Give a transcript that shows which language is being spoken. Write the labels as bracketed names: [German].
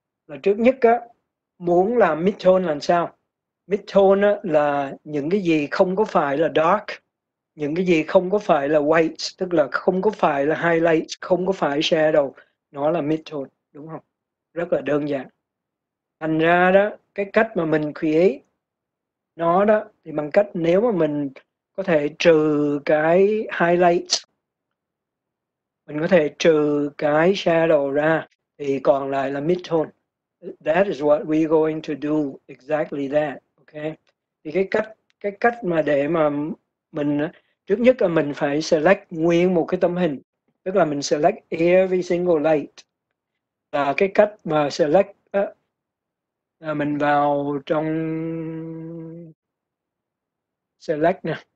[Vietnamese] Là trước nhất á, muốn làm mid-tone làm sao? Mid-tone á, là những cái gì không có phải là dark, những cái gì không có phải là white, tức là không có phải là highlight, không có phải shadow, nó là mid-tone, đúng không? Rất là đơn giản. Thành ra đó, cái cách mà mình create nó đó, thì bằng cách nếu mà mình có thể trừ cái highlight, mình có thể trừ cái shadow ra, thì còn lại là mid-tone. [English] That is what we're going to do exactly that. Okay. [Vietnamese] Thì cái cách mà để mà mình, trước nhất là mình phải select nguyên một cái tấm hình, tức là mình select [English] every single light. [Vietnamese] Là cái cách mà select á, là mình vào trong select nè.